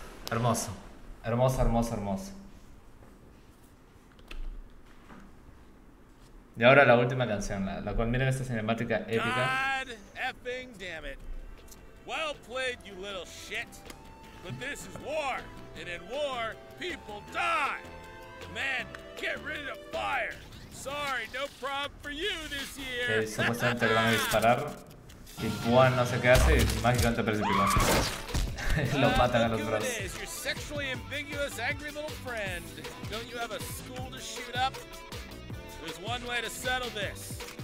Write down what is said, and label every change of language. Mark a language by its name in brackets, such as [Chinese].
[Spanish] hermoso. Hermoso, hermoso, hermoso. Y ahora la última canción, la cual miren esta cinemática épica. [English] God effing damn it. Well played, you little shit. But this is war, and in war, people die. Man, get rid of fire. Sorry, no problem for you this year. [Spanish] Okay, supuestamente le van a disparar. Y Juan no sé qué hace, y mágicamente precipitó. Lo matan a los bros. [English] Look who it is, your sexually ambiguous, angry little friend. Don't you have a school to shoot up? There's one way to settle this.